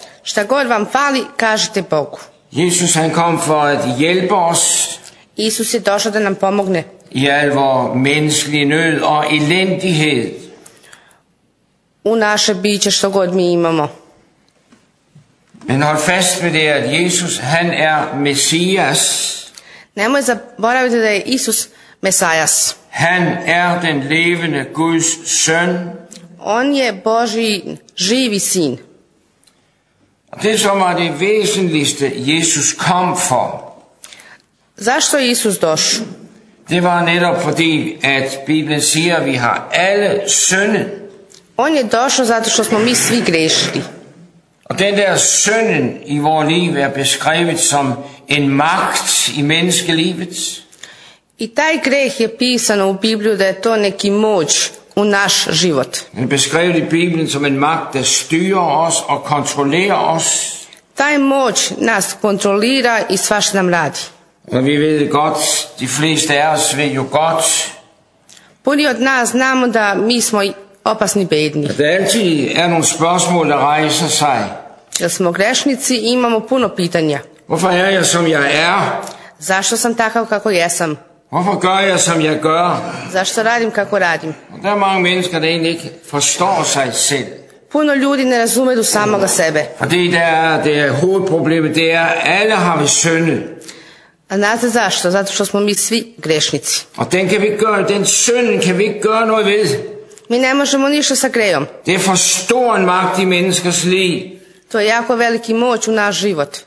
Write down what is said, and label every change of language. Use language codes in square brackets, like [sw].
[sr] Šta god vam fali, kažete Bogu. [da] Jesus han kom for at hjælpe os. [sr] Isus je došao da nam pomogne. [da] I al vor menneskelige nød og elendighed. [sr] U naše biće što god mi imamo. [da] Men hold fast med det, at Jesus han er Messias. [sr] Nemoj zaboraviti da je Isus Mesajas. [da] Han er den levende Guds søn. [sr] On je Boži živi sin. [da] Det som var det væsentligste, Jesus kom for. [sr] Zašto je Isus došao? [da] Det var netop fordi, at Bibelen siger, at vi har alle synden. [sr] On je došao zato što smo mi svi grešili. [da] Og den der synden i vor liv er beskrevet som en magt i menneskelivet. [sr] I taj greh je pisano u Bibliju da je to neki moć u naš život. [da] Den er beskrevet i Bibelen som en magt, der styrer os og kontrollerer os. [sr] Taj moć nas kontrolira i svašta nam radi. [da] Og vi ved det godt, de fleste af os ved jo godt. [sr] Puni od nas znamo da mi smo opasni bedni. [da] Der altid er nogle spørgsmål, der rejser sig. [sr] Jer smo grešnici i imamo puno pitanja. [da] Hvorfor er jeg, som jeg er? [sr] Zašto sam takav, kako jesam? [da] Hvorfor gør jeg, som jeg gør? [sr] Zašto radim, kako radim? [da] Og der er mange mennesker, der egentlig ikke forstår sig selv. [sr] Puno ljudi ne razumeju samoga sebe. [da] Fordi det er hovedproblemet, det er, alle har vi syndet. [sr] A znate zašto? Zato što smo mi svi grešnici. [da] A den kan vi gøre, den synden kan vi ikke gøre noget ved. [sr] Mi ne možemo ništa sa grejom. [da] Det er for stor en magt i menneskers liv. [sr] To je jako veliki moć u naš život.